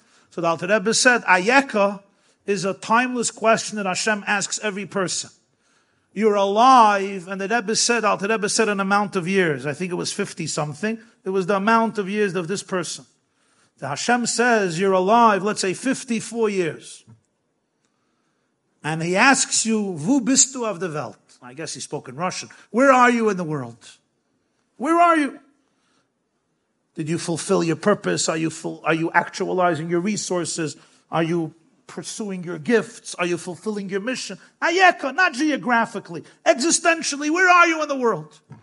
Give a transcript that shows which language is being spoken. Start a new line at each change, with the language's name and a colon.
English: So the Alter Rebbe said, Ayeka is a timeless question that Hashem asks every person. You're alive, and the Rebbe said, Alter Rebbe said an amount of years, I think it was 50-something, it was the amount of years of this person. The Hashem says, you're alive, let's say 54 years. And he asks you,
Yiddish: Wo bist du auf der Welt?
English: I guess he spoke in Russian. Where are you in the world? Where are you? Did you fulfill your purpose? Are you actualizing your resources? Are you pursuing your gifts? Are you fulfilling your mission? Ayeka, not geographically, existentially, where are you in the world?